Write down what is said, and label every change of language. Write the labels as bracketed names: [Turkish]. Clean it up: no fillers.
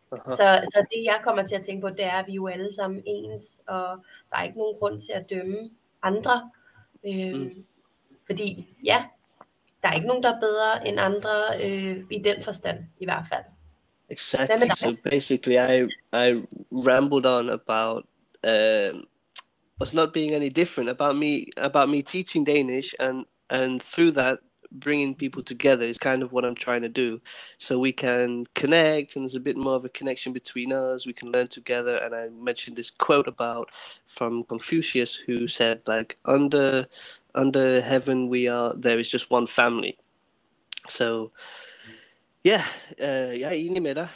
[Danish] Så det, jeg kommer til at tænke på, det er, at vi er jo alle sammen ens, og der er ikke nogen grund til at dømme andre. Fordi, ja, der er ikke nogen, der er bedre end andre i den forstand, i hvert fald. [English] Exactly. So basically, I rambled on about was not being any different about me teaching Danish, and through that, bringing people together is kind of what I'm trying to do, so we can connect and there's a bit more of a connection between us. We can learn together. And I mentioned this quote about from Confucius, who said, like, under heaven we are, there is just one family. So yeah, [Danish] jeg er enig med dig.